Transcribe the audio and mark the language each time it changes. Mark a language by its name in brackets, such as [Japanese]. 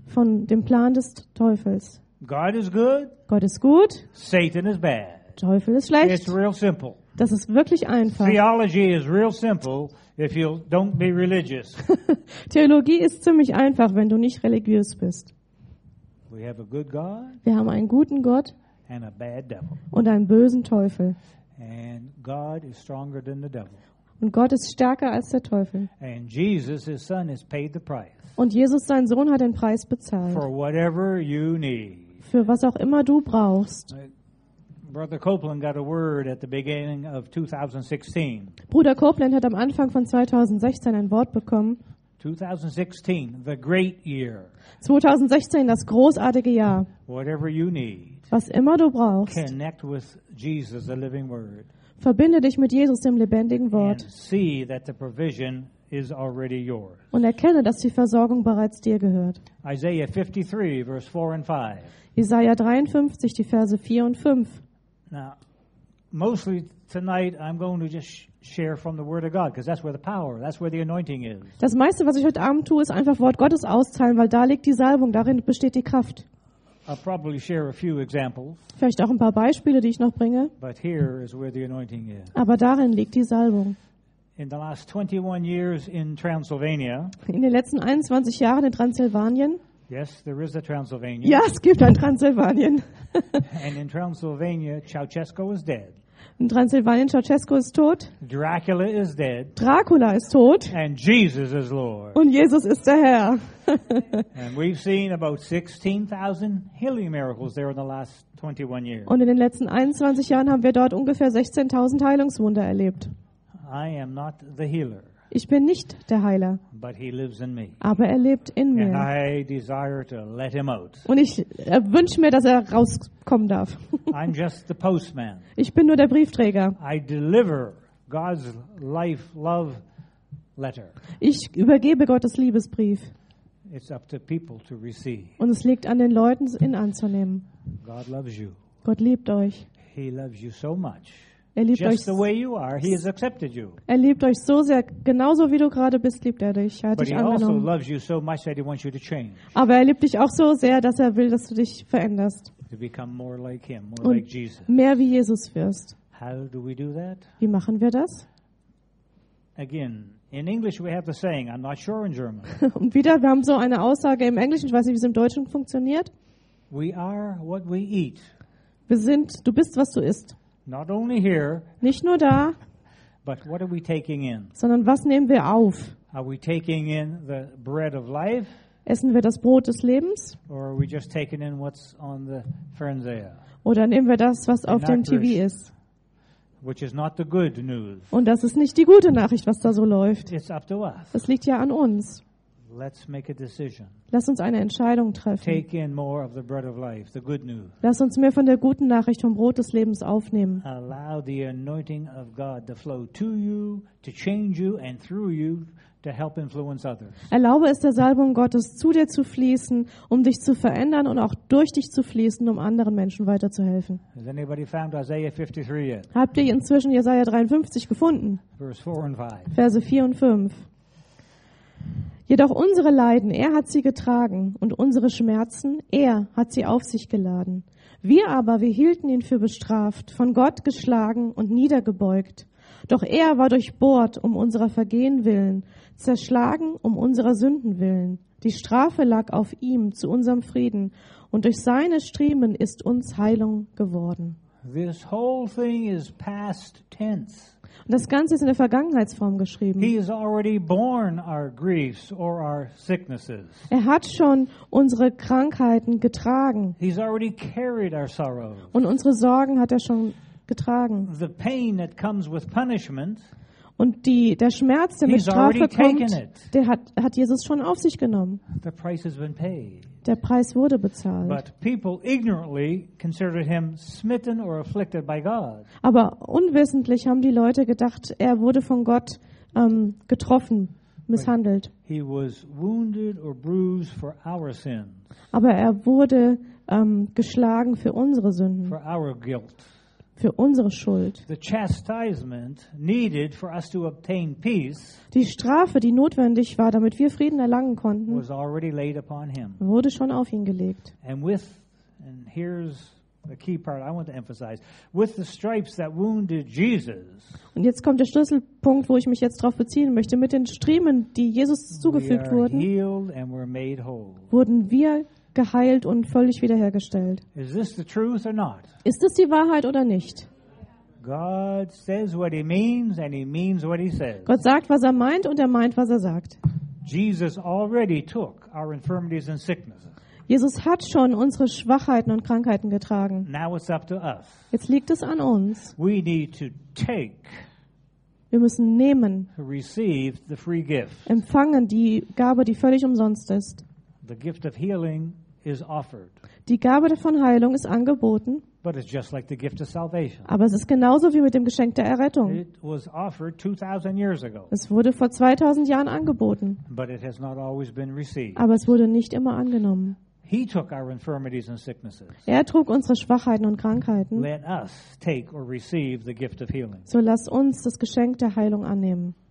[German] Von dem Plan des Teufels. [English] God is good, [German] Gott ist gut, [English] Satan is bad. [German] Teufel ist schlecht. [English] It's real simple. [German] Das ist wirklich einfach. [English] Theology is real simple if you don't be religious. [German] Theologie ist ziemlich einfach, wenn du nicht religiös bist. [English] We have a good God. [German] Wir haben einen guten Gott [English] and a bad devil. [German] Und einen bösen Teufel. [English] And God is stronger than the devil. [German] Und Gott ist stärker als der Teufel. [English] And Jesus, his son, has paid the price. [German] Und Jesus, sein Sohn, hat den Preis bezahlt. [English] For whatever you need. [German] Für was auch immer du brauchst. [English] Brother Copeland got a word at the beginning of 2016. [German] Bruder Copeland hat am Anfang von 2016 ein Wort bekommen. [English] 2016, the great year. [German] 2016, das großartige Jahr. [English] Whatever you need. [German] Was immer du brauchst. [English] Connect with Jesus, the living word. [German] Verbinde dich mit Jesus, dem lebendigen Wort. [English] And see that the provision is already yours. [German] Und erkenne, dass die Versorgung bereits dir gehört. [English] Isaiah 53, verse 4 and 5. [German] Jesaja 53, die Verse 4 und 5. [English] Now, mostly tonight I'm going to just share from the word of God, because that's where the power, that's where the anointing is. [German] Das meiste, was ich heute Abend tue, ist einfach Wort Gottes austeilen, weil da liegt die Salbung, darin besteht die Kraft. [English] I'll probably share a few examples. [German] Vielleicht auch ein paar Beispiele, die ich noch bringe. [English] But here is where the anointing is. [German] Aber darin liegt die Salbung. [English] In the last 21 years in Transylvania. [German] In den letzten 21 Jahren in Transsilvanien. [English] Yes, there is a Transylvania. [German] Ja, es gibt ein Transsilvanien. [English] And in Transylvania, Ceausescu is dead. [German] In Transsilvanien, Ceausescu ist tot. [English] Dracula is dead. [German] Dracula ist tot. [English] And Jesus is Lord. [German] Und Jesus ist der Herr. [English] And we've seen about 16,000 healing miracles there in the last 21 years. [German] Und in den letzten 21 Jahren haben wir dort ungefähr 16,000 Heilungswunder erlebt. [English] I am not the healer. [German] Ich bin nicht der Heiler. [English] But he lives in me. [German] Aber er lebt in mir. [English] And I desire to let him out. [German] Und ich wünsche mir, dass er rauskommen darf. [English] I'm just the postman. [German] Ich bin nur der Briefträger. [English] I deliver God's life love letter. [German] Ich übergebe Gottes Liebesbrief. [English] It's up to people to receive. [German] Und es liegt an den Leuten, ihn anzunehmen. [English] God loves you. [German] Gott liebt euch. [English] He loves you so much. [German] Er liebt [English] just [German] euch [English] the way you are, he has accepted you. [German] Er liebt euch so sehr, genauso wie du gerade bist, liebt er dich. Er hat dich angenommen. [English] But he also loves you so much that he wants you to change. [German] Aber er liebt dich auch so sehr, dass er will, dass du dich veränderst. [English] To become more like him, more [German] und [English] like Jesus. [German] Mehr wie Jesus wirst. [English] How do we do that? [German] Wie machen wir das? [English] Again, in English we have the saying, I'm not sure in German. [German] Und wieder, wir haben so eine Aussage im Englischen, ich weiß nicht, wie es im Deutschen funktioniert. [English] We are what we eat. [German] Du bist, was du isst. [English] Not only here, [German] nicht nur da, [English] but what are we taking in? [German] Sondern was nehmen wir auf? [English] Are we taking in the bread of life? [German] Essen wir das Brot des Lebens? [English] Or are we just taking in what's on the Fernseher? [German] Oder nehmen wir das, was auf dem TV ist? [English] Which is not the good news. [German] Und das ist nicht die gute Nachricht, was da so läuft. [English] It's up to us. [German] Es liegt ja an uns. [English] Let's make a decision. [German] Lass uns eine Entscheidung treffen. [English] Take in more of the bread of life, the good news. [German] Lass uns mehr von der guten Nachricht vom Brot des Lebens aufnehmen. [English] Allow the anointing of God to flow to you, to change you and through you to help influence others. [German] Erlaube es der Salbung Gottes zu dir zu fließen, um dich zu verändern und auch durch dich zu fließen, um anderen Menschen weiterzuhelfen. [English] Has anybody found Isaiah 53 yet? [German] Habt ihr inzwischen Jesaja 53 gefunden? [English] Verse 4 and 5. [German] Verse 4 und 5. Jedoch unsere Leiden, er hat sie getragen, und unsere Schmerzen, er hat sie auf sich geladen. Wir aber, wir hielten ihn für bestraft, von Gott geschlagen und niedergebeugt. Doch er war durchbohrt um unserer Vergehen willen, zerschlagen um unserer Sünden willen. Die Strafe lag auf ihm zu unserem Frieden, und durch seine Striemen ist uns Heilung geworden. [English] This whole thing is past tense. [German] Und das Ganze ist in der Vergangenheitsform geschrieben. [English] He has already borne our griefs or our sicknesses. [German] Er hat schon unsere Krankheiten getragen. [English] He's already carried our sorrows. [German] Und unsere Sorgen hat er schon getragen. [English] The pain that comes with punishment, [German] und die, der Schmerz, der mit Strafe kommt, der hat Jesus schon auf sich genommen. [English] The price has been paid. [German] Der Preis wurde bezahlt. [English] But people ignorantly considered him smitten or afflicted by God. [German] Aber unwissentlich haben die Leute gedacht, er wurde von Gott getroffen, misshandelt. [English] He was wounded or bruised for our sins. [German] Aber er wurde geschlagen für unsere Sünden. [English] For our guilt. [German] Für unsere Schuld. [English] The chastisement needed for us to obtain peace, [German] die Strafe, die notwendig war, damit wir Frieden erlangen konnten, [English] was already laid upon him. [German] Wurde schon auf ihn gelegt. [English] And here's the key part I want to emphasize. With the stripes that wounded Jesus, [German] und jetzt kommt der Schlüsselpunkt, wo ich mich jetzt darauf beziehen möchte. Mit den Striemen, die Jesus zugefügt wurden, [English] healed and were made whole. [German] Wurden wir geheilt und völlig wiederhergestellt. [English] Is this the truth or not? [German] Ist das die Wahrheit oder nicht? [English] God says what he means and he means what he says. [German] Gott sagt, was er meint, und er meint, was er sagt. [English] Jesus already took our infirmities and sicknesses. [German] Jesus hat schon unsere Schwachheiten und Krankheiten getragen. [English] Now it's up to us. [German] Jetzt liegt es an uns. [English] We need to take. [German] Wir müssen nehmen. [English] Receive the free gift. [German] Empfangen die Gabe, die völlig umsonst ist. [English] The gift of healing is offered. [German] Die Gabe von Heilung ist angeboten. [English] But it's just like the gift of salvation. [German] Aber es ist genauso wie mit dem Geschenk der Errettung. [English] It was offered 2000 years ago. [German] Es wurde vor 2000 Jahren angeboten. [English] But it has not always been received. [German] Aber es wurde nicht immer angenommen. [English] He took our infirmities and sicknesses. [German] Er trug unsere Schwachheiten und Krankheiten. [English] Let us take or receive the gift of healing. [German] So lasst uns das Geschenk der Heilung annehmen.